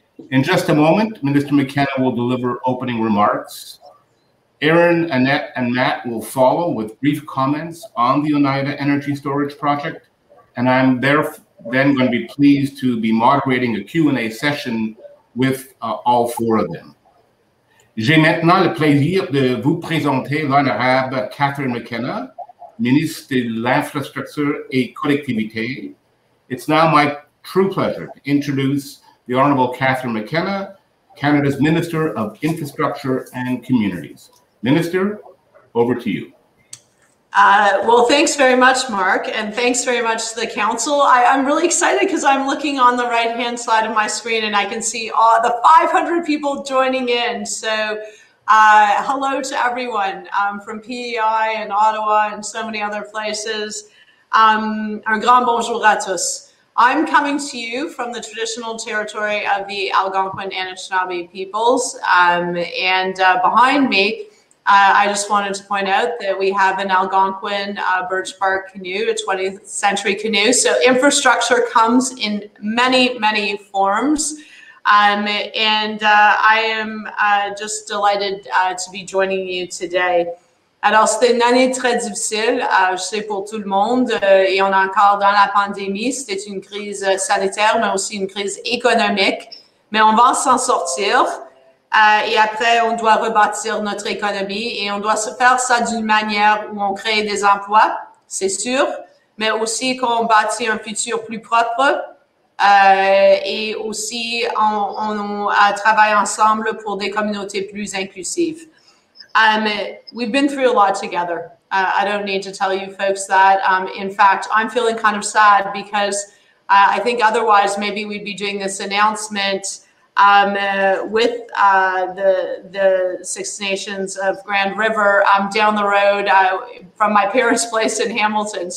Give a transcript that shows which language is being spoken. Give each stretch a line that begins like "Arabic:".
English: In just a moment, Minister McKenna will deliver opening remarks. Ehren, Annette, and Matt will follow with brief comments on the Oneida Energy Storage Project, and I'm then going to be pleased to be moderating a Q&A session with all four of them.
French: J'ai maintenant le plaisir de vous présenter l'honorable Catherine McKenna, Ministre de l'Infrastructure et Collectivité.
English: It's now my true pleasure to introduce the Honorable Catherine McKenna, Canada's Minister of Infrastructure and Communities. Minister, over to you. Well, thanks very much, Mark, and thanks very much to the council. I'm really excited because I'm looking on the right-hand side of my screen and I can see all the 500 people joining in. So hello to everyone from PEI and Ottawa and so many other places.
French: Un grand bonjour à tous.
English: I'm coming to you from the traditional territory of the Algonquin Anishinaabe peoples. Behind me, I just wanted to point out that we have an Algonquin birch bark canoe, a 20th century canoe. So infrastructure comes in many, many forms. I am just delighted to be joining you today.
French: Alors, c'était une année très difficile, je sais, pour tout le monde, et on est encore dans la pandémie. C'était une crise sanitaire, mais aussi une crise économique. Mais on va s'en sortir, et après, on doit rebâtir notre économie, et on doit se faire ça d'une manière où on crée des emplois, c'est sûr, mais aussi qu'on bâtit un futur plus propre, et aussi on travaille ensemble pour des communautés plus inclusives.
English: We've been through a lot together. I don't need to tell you folks that. In fact, I'm feeling kind of sad because I think otherwise maybe we'd be doing this announcement with the Six Nations of Grand River down the road from my parents' place in Hamilton.